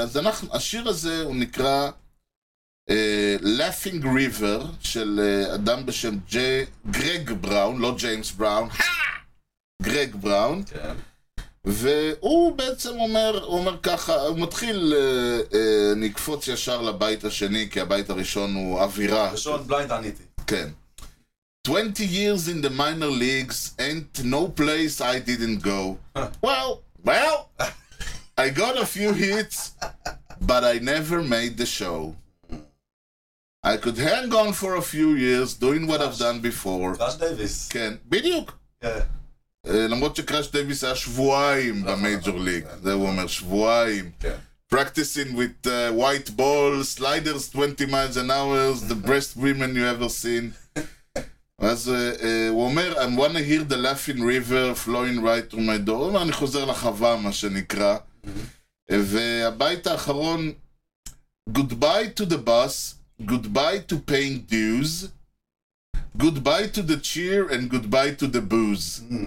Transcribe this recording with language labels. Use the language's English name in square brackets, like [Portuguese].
[Hebrew] אז השיר הזה הוא נקרא Laughing River של אדם בשם גרג בראון, לא ג'יימס בראון, גרג בראון, והוא בעצם אומר, הוא אומר ככה, הוא מתחיל, נקפוץ ישר לבית השני, כי הבית הראשון הוא אווירה. ראשון, בליינד עניתי. כן. [English] 20 years in the minor leagues ain't no place I didn't go. Well, I got a few hits, but I never made the show. I could hang on for a few years doing what I've done before. [Hebrew] קראש דייביס. כן, בדיוק. כן. למרות שקראש דייביס היה שבועיים במייג'ור ליג, זה הוא אומר, שבועיים. [English] Practicing with white balls, sliders 20 miles an hour, the best women you ever seen. [Hebrew] אז הוא אומר, [English] I want to hear the laughing river flowing right through my door. [Hebrew] הוא אומר, אני חוזר לחווה, מה שנקרא. והבית האחרון, [English] goodbye to the bus, goodbye to paying dues, goodbye to the cheer and goodbye to the booze.